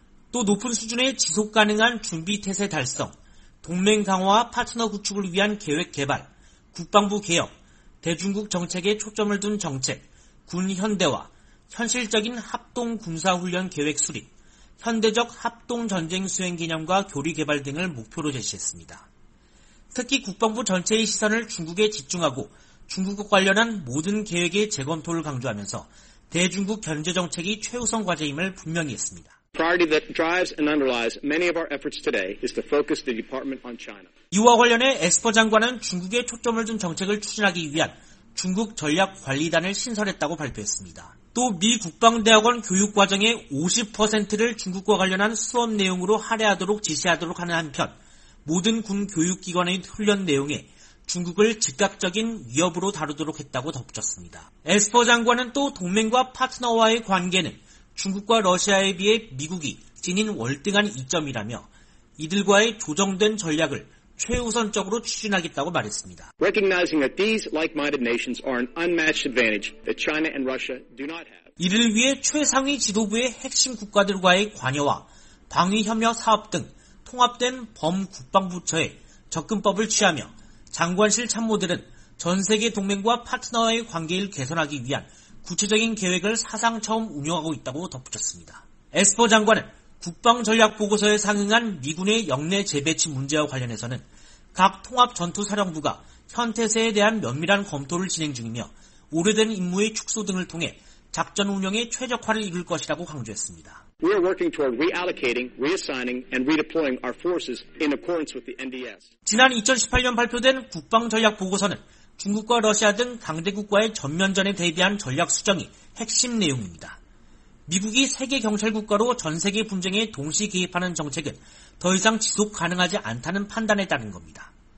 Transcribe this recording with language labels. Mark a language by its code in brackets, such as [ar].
[ko] 또 높은 수준의 지속 가능한 준비태세 달성, 동맹 강화와 파트너 구축을 위한 계획 개발, 국방부 개혁, 대중국 정책에 초점을 둔 정책, 군 현대화, 현실적인 합동군사훈련 계획 수립, 현대적 합동전쟁수행기념과 교리개발 등을 목표로 제시했습니다. 특히 국방부 전체의 시선을 중국에 집중하고 중국과 관련한 모든 계획의 재검토를 강조하면서 대중국 견제정책이 최우선 과제임을 분명히 했습니다. [en] priority that drives and underlies many of our efforts today is to focus the department on China. [ko] 이와 관련해 에스퍼 장관은 중국에 초점을 둔 정책을 추진하기 위한 중국 전략 관리단을 신설했다고 발표했습니다. 또 미 국방대학원 교육 과정의 50%를 중국과 관련한 수업 내용으로 할애하도록 지시하도록 하는 한편 모든 군 교육기관의 훈련 내용에 중국을 즉각적인 위협으로 다루도록 했다고 덧붙였습니다. 에스퍼 장관은 또 동맹과 파트너와의 관계는 중국과 러시아에 비해 미국이 지닌 월등한 이점이라며 이들과의 조정된 전략을 최우선적으로 추진하겠다고 말했습니다. [en] Recognizing that these like-minded nations are an unmatched advantage that China and Russia do not have. [ko] 이를 위해 최상위 지도부의 핵심 국가들과의 관여와 방위 협력 사업 등 통합된 범국방부처의 접근법을 취하며 장관실 참모들은 전 세계 동맹과 파트너와의 관계를 개선하기 위한 구체적인 계획을 사상 처음 운영하고 있다고 덧붙였습니다. 에스퍼 장관은 국방전략보고서에 상응한 미군의 영내 재배치 문제와 관련해서는 각 통합전투사령부가 현태세에 대한 면밀한 검토를 진행 중이며 오래된 임무의 축소 등을 통해 작전 운영에 최적화를 이룰 것이라고 강조했습니다. [en] We are working toward reallocating, reassigning, and redeploying our forces in accordance with the NDS. [ko] 지난 2018년 발표된 국방전략보고서는 중국과 러시아 등 강대국과의 전면전에 대비한 전략 수정이 핵심 내용입니다. 미국이 세계 경찰국가로 전 세계 분쟁에 동시 개입하는 정책은 더 이상 지속 가능하지 않다는 판단에 따른 겁니다.